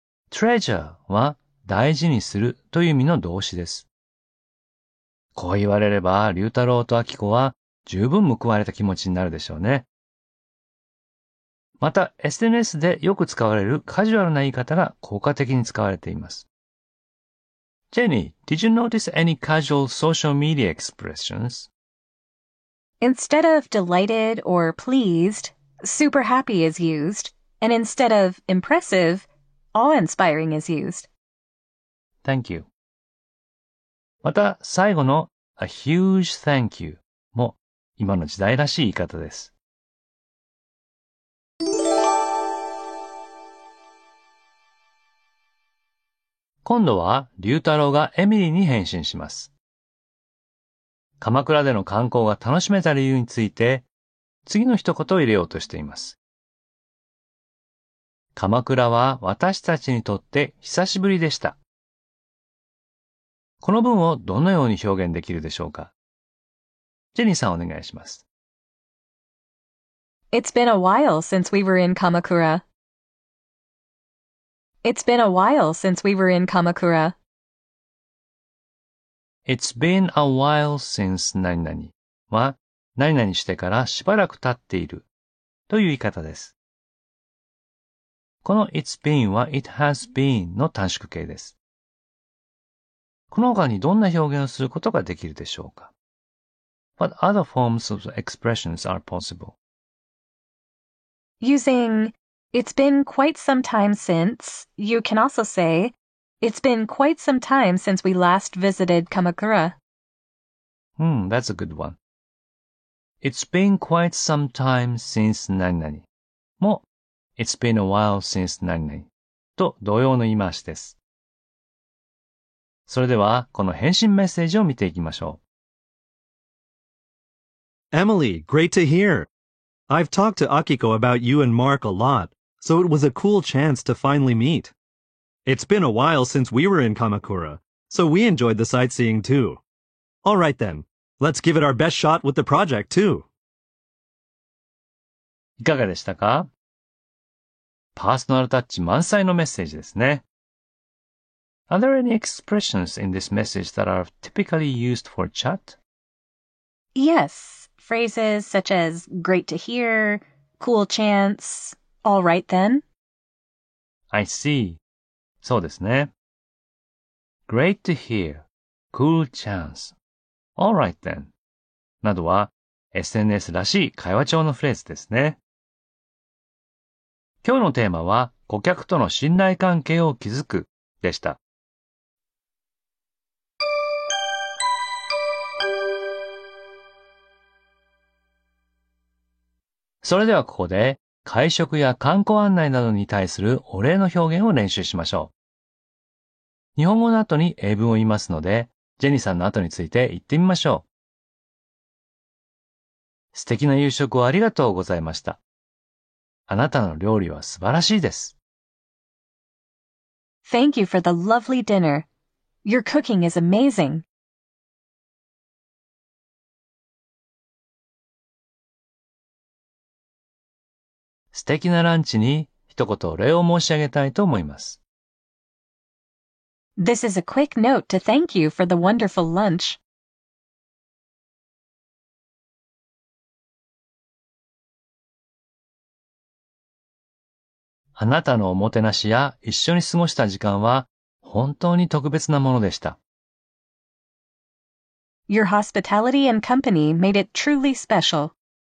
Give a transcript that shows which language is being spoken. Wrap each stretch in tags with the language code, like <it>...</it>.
<ja>Treasure は大事にするという意味の動詞です。こう言われれば、龍太郎と明子は十分報われた気持ちになるでしょうね。また、SNS でよく使われるカジュアルな言い方が効果的に使われています。</ja> <en>Jenny, did you notice any casual social media expressions? Instead of delighted or pleased, super happy is used, and instead of impressive, awe-inspiring is used. Thank you.</en> <ja>また、最後の</ja> <en>a huge thank you</en> <ja>も今の時代らしい言い方です。今度は、龍太郎がエミリーに変身します。鎌倉での観光が楽しめた理由について、次の一言を入れようとしています。鎌倉は私たちにとって久しぶりでした。この文をどのように表現できるでしょうか。ジェニーさんお願いします。</ja> <en>It's been a while since we were in Kamakura. It's been a while since we were in Kamakura. It's been a while since</en> <ja>何々は何々してからしばらく経っているという言い方です。この it's been は</ja> <en>it has been</en> <ja>の短縮形です。この他にどんな表現をすることができるでしょうか。</ja> <en>What other forms of expressions are possible? Using it's been quite some time since, you can also say, it's been quite some time since we last visited Kamakura. Hmm, that's a good one. It's been quite some time since</en> <ja>何々も</ja> <en>it's been a while since</en> <ja>何々と同様の言い回しです。それでは、この返信メッセージを見ていきましょう。</ja> <en>Emily, great to hear. I've talked to Akiko about you and Mark a lot, so it was a cool chance to finally meet. It's been a while since we were in Kamakura, so we enjoyed the sightseeing too. All right then, let's give it our best shot with the project too.</en> <ja>いかがでしたか？パーソナルタッチ満載のメッセージですね。</ja> <en>Are there any expressions in this message that are typically used for chat? Yes, phrases such as great to hear, cool chance, all right then. I see.</en> <ja>そうですね。</ja> <en>Great to hear, cool chance, all right then.</en> <ja>などは SNS らしい会話調のフレーズですね。今日のテーマは顧客との信頼関係を築くでした。それではここで会食や観光案内などに対するお礼の表現を練習しましょう。日本語の後に英文を言いますので、ジェニーさんの後について言ってみましょう。素敵な夕食をありがとうございました。あなたの料理は素晴らしいです。</ja> <en>Thank you for the lovely dinner. Your cooking is amazing.</en> <ja>素敵なランチに一言お礼を申し上げたいと思います。</ja> <en>This is a quick note to thank you for the wonderful lunch.</en> <ja>あなたのおもてなしや一緒に過ごした時間は本当に特別なものでした。</ja> <en>Your hospitality and company made it truly special.</en>